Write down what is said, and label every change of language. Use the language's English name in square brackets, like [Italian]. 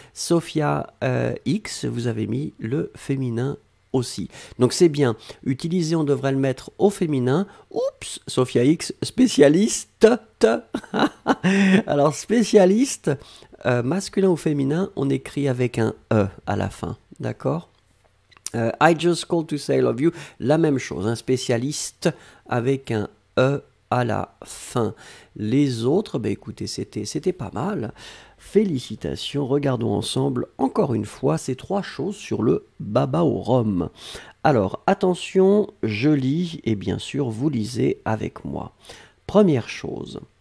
[French] Sophia, X, vous avez mis le féminin aussi. Donc c'est bien. Utiliser, on devrait le mettre au féminin. Oups, Sophia X, spécialiste. Alors, spécialiste, masculin ou féminin, on écrit avec un E à la fin. D'accord? [English] I just called to say I love you. [French] La même chose, un spécialiste avec un E. À la fin. Les autres, bah écoutez, c'était pas mal. Félicitations. Regardons ensemble encore une fois ces trois choses sur le baba au rhum. Alors, attention, je lis et bien sûr, vous lisez avec moi. Première chose.